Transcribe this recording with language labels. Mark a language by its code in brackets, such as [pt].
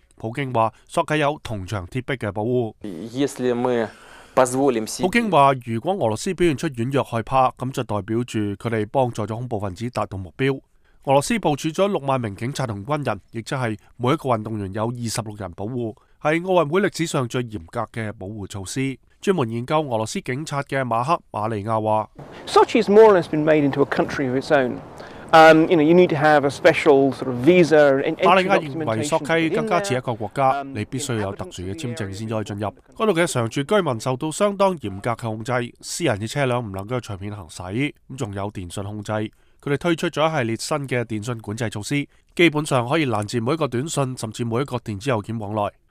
[zh] 普京说，索契有铜墙铁壁的保护。普京说，如果俄罗斯表现出软弱害怕，那就代表着他们帮助了恐怖分子达到目标。俄罗斯部署了60000名警察和军人，亦即是每一个运动员有26人保护，是奥运会历史上最严格的保护措施。专门研究俄罗斯警察的马克·马利亚说， [en] Sochi has more or less been made into a country of its own. You need to have a special sort of visa. [zh] 马利亚认为索契更加似一个国家，你必须有特殊的签证才可以进入。那里的常住居民受到相当严格的控制，私人的车辆不能够随便行驶，还有电信控制。他们推出了一系列新的电信管制措施，基本上可以拦截每一个短信，甚至每一个电子邮件往来。